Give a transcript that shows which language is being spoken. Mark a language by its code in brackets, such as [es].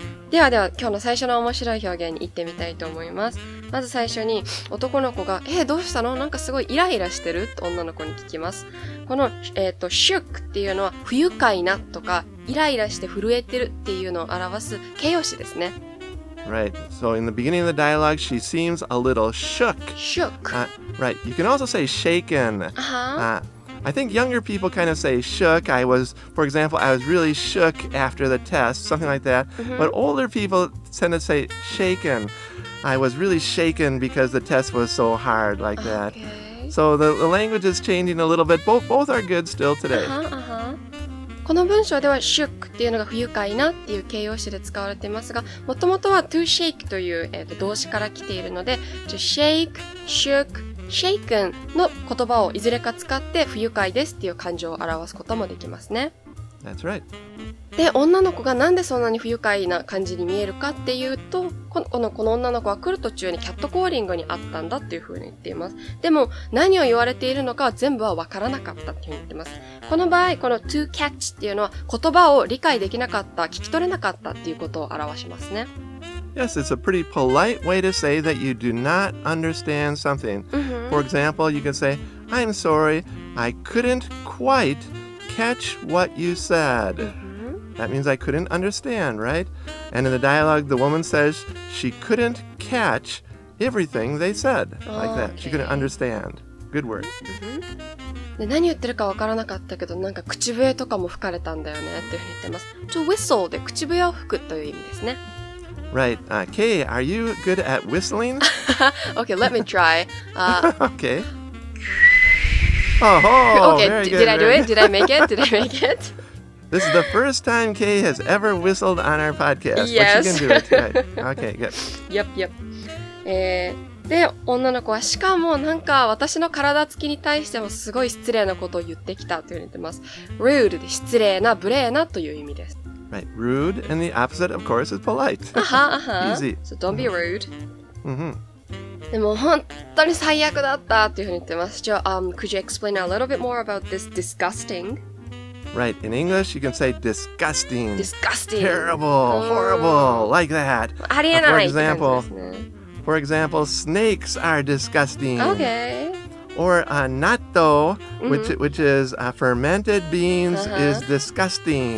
[ja] ではでは今日の最初の面白い表現に行ってみたいと思います。まず最初に男の子がどうしたの？なんかすごいイライラしてる？と女の子に聞きます。この shook っていうのは不愉快なとかイライラして震えてるっていうのを表す形容詞ですね。 [en] Right. So in the beginning of the dialogue, she seems a little shook. Shook. Right. You can also say shaken. Uh-huh. I think younger people kind of say shook. I was, for example, I was really shook after the test, something like that. Mm-hmm. But older people tend to say shaken. I was really shaken because the test was so hard like that. Okay. So the language is changing a little bit. Both are good still today. [ja] この文章では shook っていうのが不愉快なっていう形容詞で使われていますが、もともとは to shake という、動詞から来ているので、to shake, shook, shaken の言葉をいずれか使って不愉快ですっていう感情を表すこともできますね。 [en] That's right. [ja] で、女の子がなんでそんなに不愉快な感じに見えるかっていうと、この女の子は来る途中にキャットコーリングにあったんだっていうふうに言っています。でも、何を言われているのかは全部はわからなかったっていうふうに言っています。この場合、この to catch っていうのは言葉を理解できなかった、聞き取れなかったっていうことを表しますね。 [en] Yes, it's a pretty polite way to say that you do not understand something. For example, you can say, I'm sorry, I couldn't quite catch what you said. That means I couldn't understand, right? And in the dialogue, the woman says she couldn't catch everything they said. Like that. She couldn't understand. Good word. [ja] で、何言ってるかわからなかったけど、なんか口笛とかも吹かれたんだよねっていうふうに言ってます。 To whistle で口笛を吹くという意味ですね。 [en] Right. Kay, are you good at whistling? Okay, let me try. Okay. Oh, okay, very good. Did I make it? This is the first time Kay has ever whistled on our podcast. Yes. But you can do it tonight. Okay, good. Yep. [ja] で、女の子は、しかもなんか私の体つきに対してもすごい失礼なことを言ってきたというふうに言ってます。 Rude で失礼な、無礼なという意味です。 [en] Right. Rude and the opposite, of course, is polite. Easy. So don't be rude. Mm-hmm. [ja] でも本当に最悪だったというふうに言ってます。 [en] じゃあ、could you explain a little bit more about this disgusting? Right, in English you can say disgusting. Disgusting. Terrible, horrible, like that. [ja] ありえない。 [en] For example, snakes are disgusting. Okay. Or natto, which is fermented beans, is disgusting.